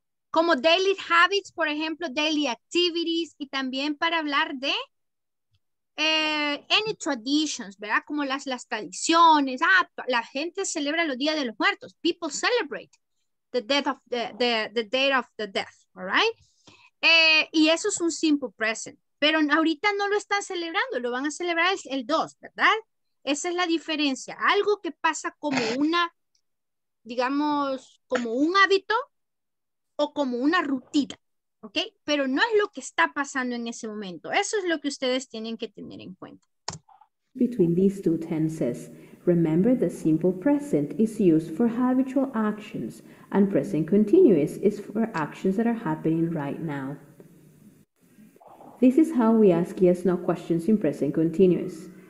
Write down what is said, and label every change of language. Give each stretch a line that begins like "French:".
Spanish: Como
English: daily habits,
Spanish: por ejemplo,
English: daily activities,
Spanish: y también para hablar de
English: any traditions,
Spanish: ¿verdad? Como las tradiciones. Ah, la gente celebra los días de los muertos.
English: People celebrate the death of the date of the death, all right?
Spanish: Y eso es un simple present. Pero ahorita no lo están celebrando, lo van a celebrar el 2, ¿verdad? Esa es la diferencia. Algo que pasa como una, digamos, como un hábito, o como una rutina, ¿ok? Pero no es lo que está pasando en ese momento. Eso es lo que ustedes tienen que tener en cuenta.
English: Between these two tenses, remember the simple present is used for habitual actions and present continuous is for actions that are happening right now. This is how we ask yes-no questions in present continuous.